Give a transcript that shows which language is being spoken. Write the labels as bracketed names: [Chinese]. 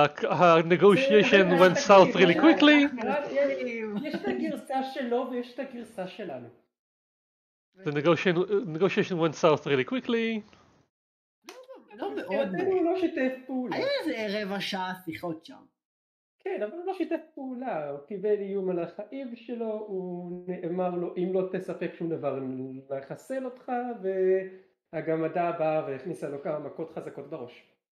[English] הנגושיישן went south really quickly. [Hebrew] יש את הגרסה שלו ויש את הגרסה שלנו. [English] הנגושיישן went south really quickly. [Hebrew] לא מאוד. הוא לא שיתף פעולה. היה איזה רבע שעה שיחות שם. כן, אבל הוא לא שיתף פעולה. הוא קיבל איום על החיים שלו, הוא נאמר לו, אם לא תספק שום דבר, נחסל אותך, והגמדה באה והכניסה לו כמה מכות חזקות בראש.